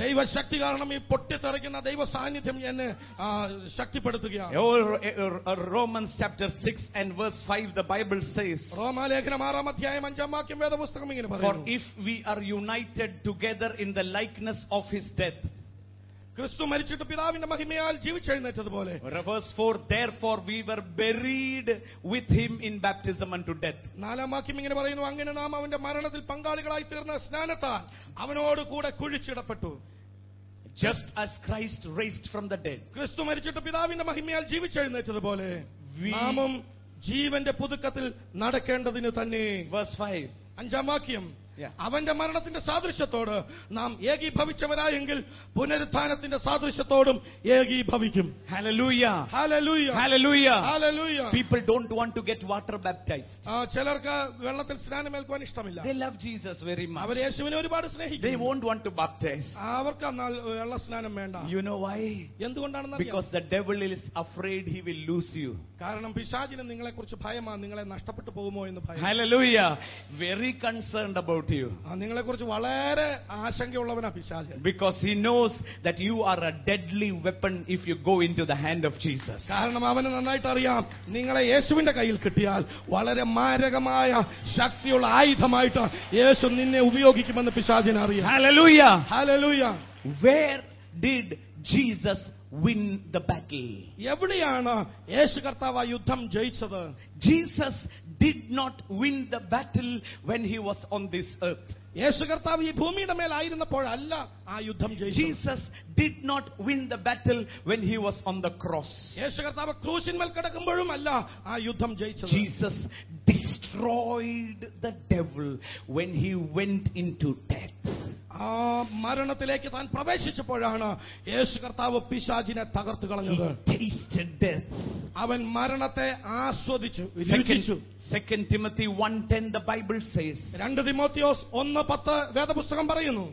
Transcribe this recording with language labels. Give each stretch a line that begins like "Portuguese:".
English: Oh, Romans chapter 6 and verse 5, the Bible says, for if we are united together in the likeness of his death,
Malayalam: ക്രിസ്തു മരിച്ചിട്ട് പിതാവിന്റെ മഹിമയാൽ ജീവിച്ചെഴുന്നേറ്റതുപോലെ.
English: Verse 4, therefore we were buried with him in baptism unto death.
Malayalam: നാലാം വാക്യം ഇങ്ങനെ പറയുന്നു, അങ്ങനെ നാം അവന്റെ മരണത്തിൽ പങ്കാളികളായി തീർന്ന സ്നാനത്താൽ അവനോട് കൂടെ കുഴിച്ചിടപ്പെട്ടു.
English: Just as Christ raised from the dead,
Malayalam: ക്രിസ്തു മരിച്ചിട്ട് പിതാവിന്റെ മഹിമയാൽ ജീവിച്ചെഴുന്നേറ്റതുപോലെ നാമും ജീവന്റെ പുതുക്കത്തിൽ നടക്കേണ്ടതിനു തന്നെ.
English: Verse 5,
Malayalam: അഞ്ചാം വാക്യം, അവന്റെ മരണത്തിന്റെ സാദൃശ്യത്തോട് നാം ഏകീഭവിച്ചവരായെങ്കിൽ പുനരുത്ഥാനത്തിന്റെ സാദൃശ്യത്തോടും ഏകീഭവിക്കും.
English: Hallelujah. People don't want to get water baptized.
Malayalam: ചിലർക്ക് വെള്ളത്തിൽ സ്നാനമേൽക്കുവാൻ ഇഷ്ടമില്ല.
English: They love Jesus very much.
Malayalam: അവർ യേശുവിനെ ഒരുപാട് സ്നേഹിക്കും.
English: They won't want to baptize.
Malayalam: അവർക്ക് എന്നാൽ വെള്ള സ്നാനം വേണ്ട.
English: You know why?
Malayalam: എന്തുകൊണ്ടാണെന്ന്?
English: Because the devil is afraid he will lose you.
Malayalam: കാരണം പിശാചിന് നിങ്ങളെ കുറിച്ച് ഭയമാണ്, നിങ്ങളെ നഷ്ടപ്പെട്ടു പോകുമോ എന്ന് ഭയം.
English: Hallelujah. Very concerned about you.
Malayalam: നിങ്ങളെ കുറിച്ച് വളരെ ആശങ്കയുള്ളവനാണ് പിശാച്.
English: Because he knows that you are a deadly weapon if you go into the hand of Jesus.
Malayalam: കാരണം അവനെ നന്നായിട്ട് അറിയാം, നിങ്ങളെ യേശുവിന്റെ കയ്യിൽ കിട്ടിയാൽ വളരെ മാരകമായ ശക്തിയുള്ള ആയുധമായിട്ട് യേശു നിന്നെ ഉപയോഗിക്കുമെന്ന് പിശാചിന് അറിയാം.
English: Hallelujah. Hallelujah. Where did Jesus win the battle?
Malayalam: എവിടെയാണ് യേശു കർത്താവ് യുദ്ധം ജയിച്ചത്?
English: Jesus did not win the battle when he was on this earth.
Malayalam: യേശു കർത്താവ് ഈ ഭൂമിയുടെ മേലായിരുന്നപ്പോഴല്ല ആ യുദ്ധം ജയിച്ചത്.
English: Jesus did not win the battle when he was on the cross.
Malayalam: യേശു കർത്താവ് ക്രൂശിന്മേൽ കിടക്കുമ്പോഴുമല്ല ആ യുദ്ധം ജയിച്ചത്.
English: Jesus destroyed the devil when he went into death.
Malayalam: ആ മരണത്തിലേക്ക് താൻ പ്രവേശിച്ചപ്പോഴാണ് യേശു കർത്താവ് പിശാചിനെ തകർത്തു കളഞ്ഞത്.
English: He tasted death.
Malayalam: അവൻ മരണത്തെ ആസ്വദിച്ചു.
English: 2 Timothy 1:10 the Bible says.
Malayalam: രണ്ട് തിമോത്തിയോസ് 1:10 വേദപുസ്തകം പറയുന്നു.